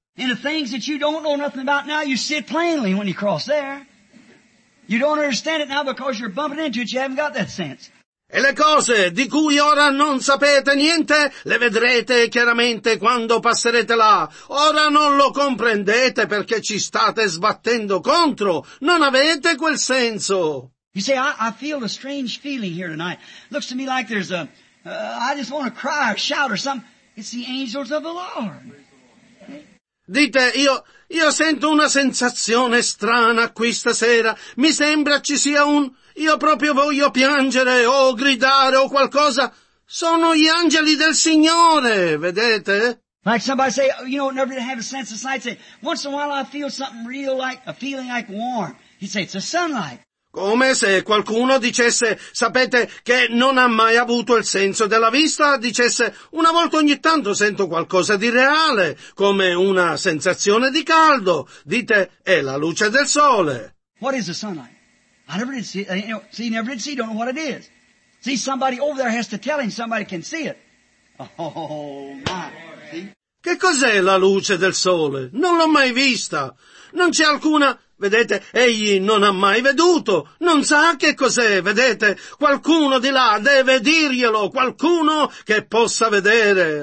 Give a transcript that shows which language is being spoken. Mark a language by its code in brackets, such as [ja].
[en] And the things that you don't know nothing about now, you see it plainly when you cross there. You don't understand it now because you're bumping into it, you haven't got that sense. [it] E le cose di cui ora non sapete niente, le vedrete chiaramente quando passerete là. Ora non lo comprendete perché ci state sbattendo contro. Non avete quel senso. [en] You say, I feel a strange feeling here tonight. Looks to me like there's a... I just want to cry or shout or something. It's the angels of the Lord. [it] Dite, io sento una sensazione strana qui stasera. Mi sembra ci sia un... Io proprio voglio piangere o gridare o qualcosa. Sono gli angeli del Signore, vedete? [en] Like somebody say, you know, never have a sense of sight. Say, once in a while I feel something real, like a feeling like warm. He say, it's the sunlight. [it] Come se qualcuno dicesse, sapete, che non ha mai avuto il senso della vista, dicesse, una volta ogni tanto sento qualcosa di reale, come una sensazione di caldo. Dite, è la luce del sole. [en] What is the sunlight? I never did see, you know, see, never did see, don't know what it is. See, somebody over there has to tell him, somebody can see it. Oh, my. See? [it] Che cos'è la luce del sole? Non l'ho mai vista. Non c'è alcuna, vedete, egli non ha mai veduto. Non sa che cos'è, vedete. Qualcuno di là deve dirglielo, qualcuno che possa vedere.